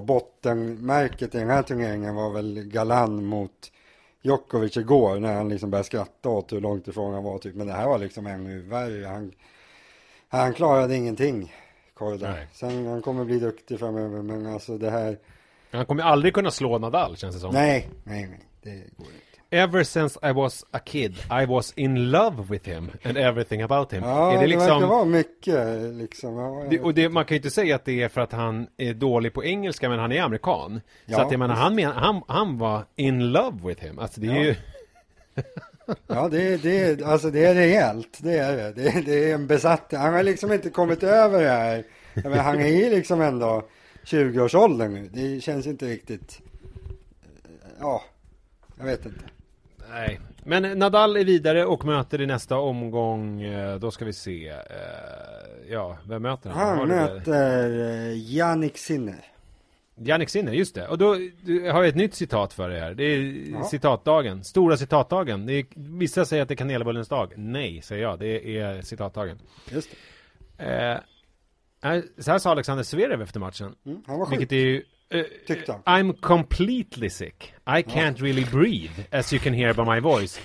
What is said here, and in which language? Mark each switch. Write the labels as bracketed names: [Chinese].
[Swedish] Bottenmärket i den här turneringen var väl Galan mot Djokovic igår, när han liksom började skratta åt hur långt ifrån han var typ. Men det här var liksom ännu värre. Han klarade ingenting, Korda. Nej. Sen han kommer bli duktig framöver, men alltså det här. Han kommer aldrig kunna slå Nadal, känns det som. Nej, det går inte. [English] Ever since I was a kid, I was in love with him and everything about him. [Swedish] Ja, är det liksom, verkar vara mycket. Liksom. Ja, och det, man kan ju inte säga att det är för att han är dålig på engelska, men han är amerikan. Ja, så att jag menar, han var [English] in love with him. [Swedish] Alltså det är ju. Ja, det är rejält. Det är det. Det är en besatt. Han har liksom inte kommit över det här. Men han är ju liksom ändå 20-årsåldern nu. Det känns inte riktigt. Ja. Jag vet inte. Nej. Men Nadal är vidare och möter i nästa omgång. Då ska vi se. Ja, vem möter han? Han möter Jannik Sinner. Jannik Sinner, just det. Och då har jag ett nytt citat för dig här. Det är citatdagen. Stora citatdagen. Vissa säger att det är kanelbullens dag. Nej, säger jag. Det är citatdagen. Just det. Så här sa Alexander Zverev efter matchen. Han var sjukt. [English] I'm completely sick. I can't really breathe, as you can hear by my voice.